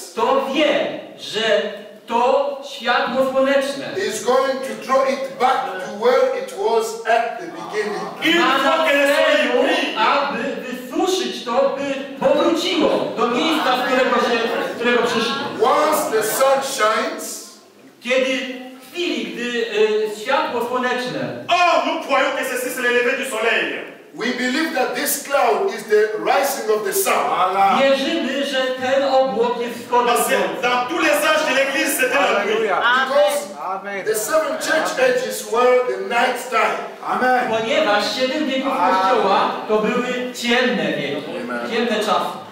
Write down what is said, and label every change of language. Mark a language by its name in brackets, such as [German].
[Polish] To wie, że to światło słoneczne. [English] Is going to draw it back to where it was at the beginning. [French] Il faut que le soleil brille. [Polish] Aby wysuszyć to, by powróciło do miejsca, z którego przyszło. [English] Once the sun shines. [Polish] Kiedy chwili, gdy światło słoneczne. [French] Oh, nous croyons que ceci c'est le lever du soleil. [English] We believe that this cloud is the rising of the sun. [Polish] Wierzymy, że ten obłok jest wschodem. [French] Dans tous les âges de l'église, c'était la nuit. [English] Because the seven church ages were the night time. Amen. [Polish] Ponieważ siedem wieków kościoła to były ciemne wieki, ciemne czasy.